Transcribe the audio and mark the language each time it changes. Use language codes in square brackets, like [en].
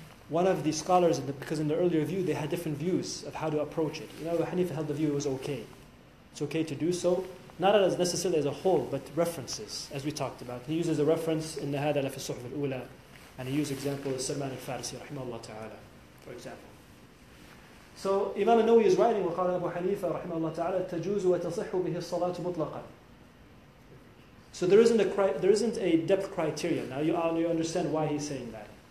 [en] One of the scholars, because in the earlier view, they had different views of how to approach it. You know, Abu Hanifa held the view it was okay. It's okay to do so. Not as necessarily as a whole, but references, as we talked about. He uses a reference in the Hadala fi Suhuf al-Ula, and he uses example of Salman al-Farisi, rahimahullah ta'ala, for example. So Imam al-Nawawi is writing, [ar] وَقَالَ أَبُو حَنِيفَ رَحِمَهُ اللَّهُ تَعَالَى تَجُوزُ وَتَصِحُ بِهِ الصَّلَاةُ مُطْلَقًا. [en] So there isn't a depth criteria. Now you understand why he's saying that.